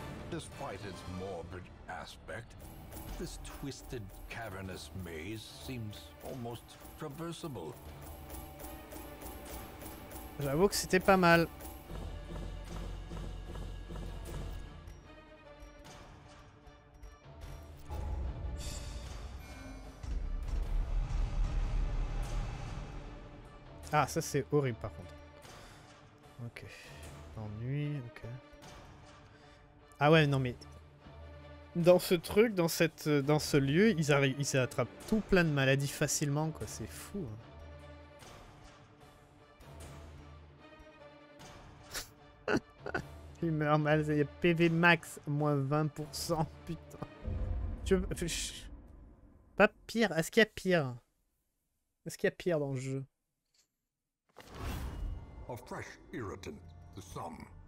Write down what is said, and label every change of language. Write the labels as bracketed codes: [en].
[en] Despite its morbid aspect, this twisted cavernous maze seems almost traversable. [fr] J'avoue que c'était pas mal. Ah, ça c'est horrible par contre. Ok. Ennui, ok. Ah ouais, non mais... Dans ce truc, dans ce lieu, ils attrapent tout plein de maladies facilement, quoi. C'est fou, hein. Il meurt mal, il y a PV max, moins 20%, putain. Pas pire, est-ce qu'il y a pire? Est-ce qu'il y a pire dans le jeu? [en] A fresh irritant to some.